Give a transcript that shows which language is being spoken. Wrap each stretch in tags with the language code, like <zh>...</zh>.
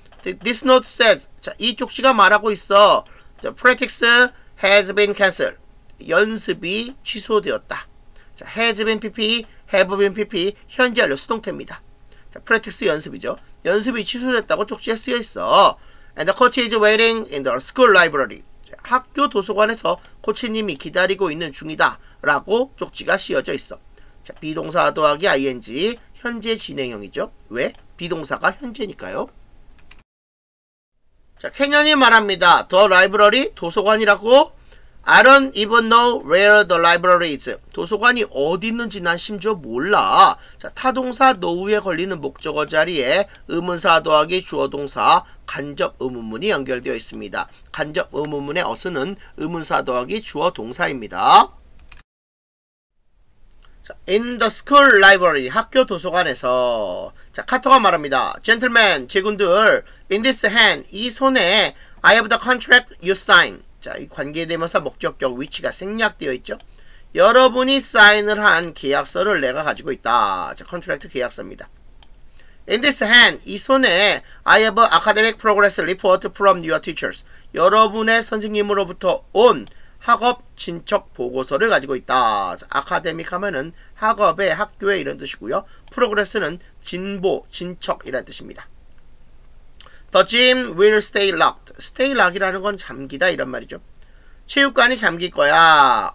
<en>This note says.</en> <ko>자, 이 쪽지가 말하고 있어.</ko> <en>The practice has been cancelled.</en> <ko>연습이 취소되었다.</ko> <en>자, has been PP, have been PP,</en> <ko>현재 완료 수동태입니다. 자, practice 연습이죠. 연습이 취소됐다고 쪽지에 쓰여 있어.</ko> <en>And the coach is waiting in the school library.</en> <ko>자, 학교 도서관에서 코치님이 기다리고 있는 중이다. 라고 쪽지가 씌어져 있어. 자, 비동사 더하기 ing, 현재 진행형이죠. 왜? 비동사가 현재니까요. 자, 캐년이 말합니다.</ko> <en>The library,</en> <ko>도서관이라고.</ko> <en>I don't even know where the library is.</en> <ko>도서관이 어디 있는지 난 심지어 몰라. 자, 타동사 노후에 걸리는 목적어 자리에 의문사 더하기 주어동사 간접 의문문이 연결되어 있습니다. 간접 의문문의 어순은 의문사 더하기 주어동사입니다.</ko> <en>자, in the school library,</en> <ko>학교 도서관에서. 자, 카터가 말합니다.</ko> <en>Gentlemen,</en> <ko>제군들,</ko> <en>in this hand,</en> <ko>이 손에</ko> <en>I have the contract you sign.</en> <ko>자, 이 관계대명사 목적격 위치가 생략되어 있죠. 여러분이 사인을 한 계약서를 내가 가지고 있다. 자, 컨트랙트 계약서입니다.</ko> <en>In this hand,</en> <ko>이 손에</ko> <en>I have a academic progress report from your teachers.</en> <ko>여러분의 선생님으로부터 온 학업 진척 보고서를 가지고 있다. 자, academic 하면은 학업의 학교의 이런 뜻이고요. progress는 진보, 진척이라는 뜻입니다.</ko> <en>The gym will stay locked. Stay locked</en> <ko>이라는 건 잠기다 이런 말이죠. 체육관이 잠길 거야.</ko>